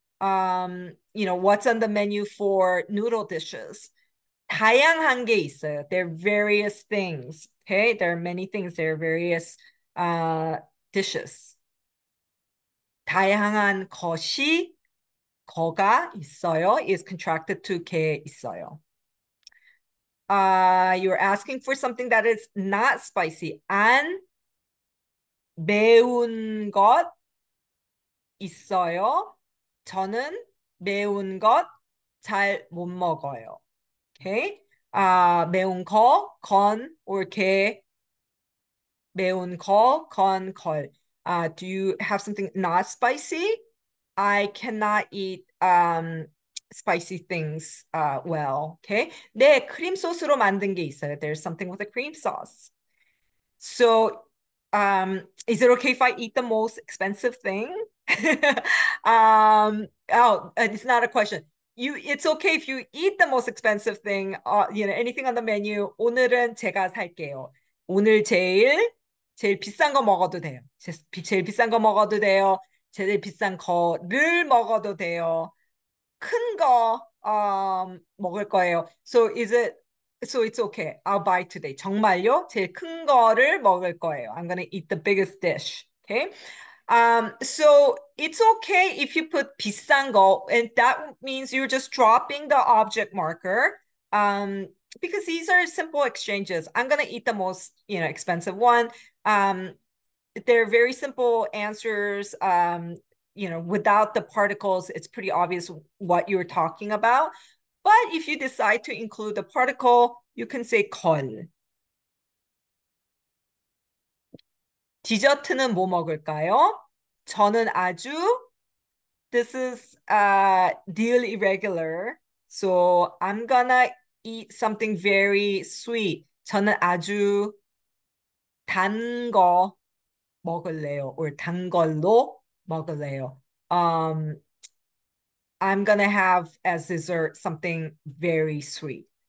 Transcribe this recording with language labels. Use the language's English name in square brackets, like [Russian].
[English] What's on the menu for noodle dishes? [Korean] 다양한 게 있어요. [English] There are various things. Okay, there are many things. There are various dishes. [Korean] 다양한 것이 거가 있어요. [English] Is contracted to [Korean] 게 있어요. [English] You're asking for something that is not spicy. [Korean] 안 매운 것 있어요. 저는 매운 것잘못 먹어요. [English] Okay. [Korean] 매운 거, 건, or 게, 매운 거, 건, 걸. [English] Do you have something not spicy? I cannot eat spicy things well. Okay. [Korean] 네, 크림 소스로 만든 게 있어요. [English] There's something with a cream sauce. So, is it okay if I eat the most expensive thing? Oh, it's not a question. You, it's okay if you eat the most expensive thing, anything on the menu. [Korean] 오늘은 제가 살게요. 오늘 제일 비싼 거 먹어도 돼요. 제일 비싼 거 먹어도 돼요. 제일 비싼 거를 먹어도 돼요. 큰 거, 먹을 거예요. [English] So it's okay. I'll buy today. [Korean] 정말요? 제일 큰 거를 먹을 거예요. [English] I'm gonna eat the biggest dish. Okay? So it's okay if you put [Korean] 비싼 거, [English] and that means you're just dropping the object marker, because these are simple exchanges. I'm gonna eat the most, expensive one. They're very simple answers. Without the particles, it's pretty obvious what you're talking about. But if you decide to include the particle, you can say 걸. [Korean] 디저트는 뭐 먹을까요? 저는 아주, [English] this is deal irregular. So I'm gonna eat something very sweet. [Korean] 저는 아주 단거 먹을래요. Or 단 걸로 먹을래요. [English] I'm gonna have as dessert something very sweet.